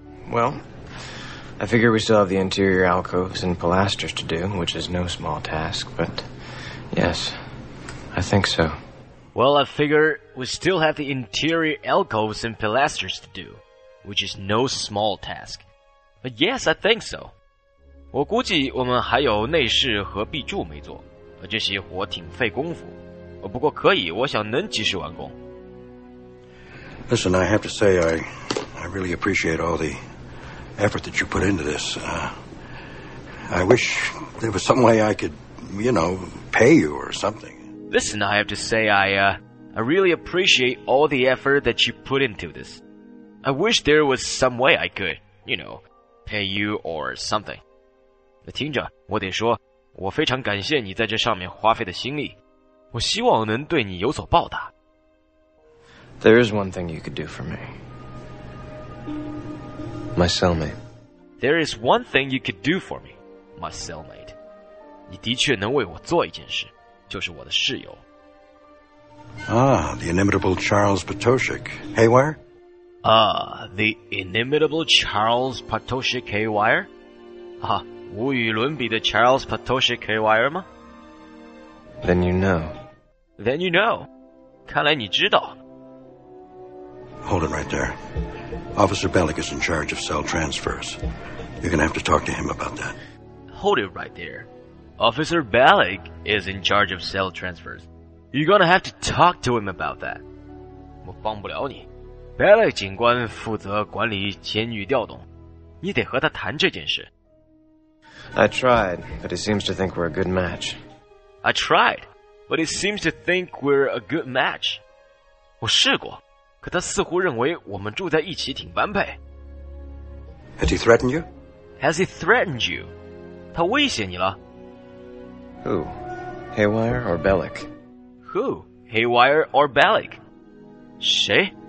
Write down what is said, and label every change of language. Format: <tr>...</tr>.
<en>Well, I figure we still have the interior alcoves and pilasters to do, which is no small task, but yes, I think so. Well, I figure we still have the interior alcoves and pilasters to do, which is no small task. But yes, I think so.</en> <zh>我估计我们还有内饰和壁柱没做，这些活挺费功夫。不过可以，我想能及时完工。</zh> <en>Listen, I have to say I really appreciate all the effort that you put into this. I wish there was some way I could, you know, pay you or something. Listen, I have to say, I really appreciate all the effort that you put into this. I wish there was some way I could, you know, pay you or something.</en> <zh>听着，我得说，我非常感谢你在这上面花费的心力。我希望能对你有所报答。</zh> <en>There is one thing you could do for me. My cellmate. There is one thing you could do for me, my cellmate.</en> <zh>你的确能为我做一件事。就是我的室友。</zh> <en>Ah, the inimitable Charles Potoshik. Haywire? Ah, the inimitable Charles Potoshik Haywire?</en> <zh>啊，无与伦比的 Charles Potoshik Haywire 吗？</zh> <en>Then you know. Then you know.</en> <zh>看来你知道。</zh> <en>Hold him right there. Officer Bellick is in charge of cell transfers. You're going to have to talk to him about that. Hold it right there. Officer Bellick is in charge of cell transfers. You're gonna have to talk to him about that.</en> <zh>我帮不了你。Bellick 警官负责管理监狱调动，你得和他谈这件事。</zh> <en>I tried, but he seems to think we're a good match. I tried, but he seems to think we're a good match.</en> <zh>我试过，可他似乎认为我们住在一起挺般配。</zh> <en>Has he threatened you? Has he threatened you?</en> <zh>他威胁你了。</zh> <en>Who? Haywire or Bellick? Who? Haywire or Bellick?</en> <zh>谁?</zh>